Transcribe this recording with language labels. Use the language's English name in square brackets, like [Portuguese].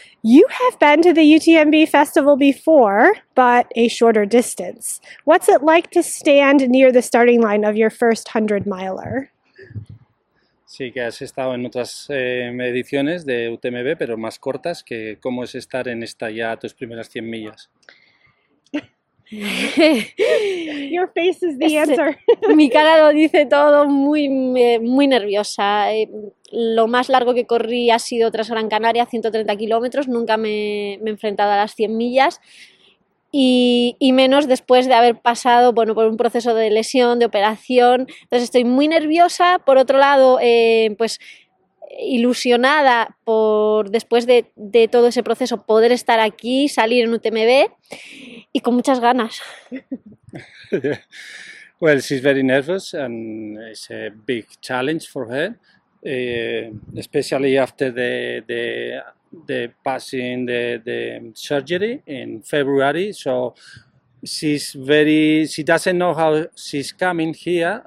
[English] You have been to the UTMB festival before, but a shorter distance. What's it like to stand near the starting line of your first 100-miler? [Spanish] Sí, que has estado en otras ediciones de UTMB, pero más cortas. Que ¿cómo es estar en esta ya tus primeras 100 millas? [English] Your face is the answer. [Spanish] Mi cara lo dice todo, muy, muy nerviosa. Lo más largo que corrí ha sido tras Gran Canaria, 130 kilómetros. Nunca me he enfrentado a las 100 millas. Y menos después de haber pasado, bueno, por un proceso de lesión, de operación. Entonces estoy muy nerviosa. Por otro lado, pues ilusionada por después de todo ese proceso poder estar aquí, salir en UTMB y con muchas ganas. [English] Well, she's very nervous and it's a big challenge for her, especially after the passing the surgery in February. So she doesn't know how she's coming here.